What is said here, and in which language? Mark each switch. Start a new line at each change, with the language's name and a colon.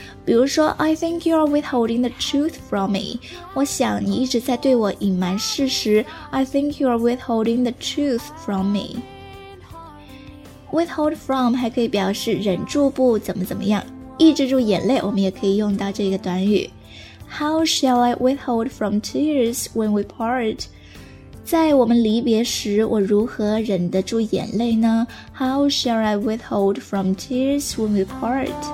English: 比如说 I think you are withholding the truth from me,
Chinese: 我想你一直在对我隐瞒事实
English: I think you are withholding the truth from me。
Chinese: withhold from 还可以表示忍住不怎么怎么样，抑制住眼泪，我们也可以用到这个短语。
English: How shall I withhold from tears when we part?
Chinese: 在我们离别时我如何忍得住眼泪呢？
English: How shall I withhold from tears when we part?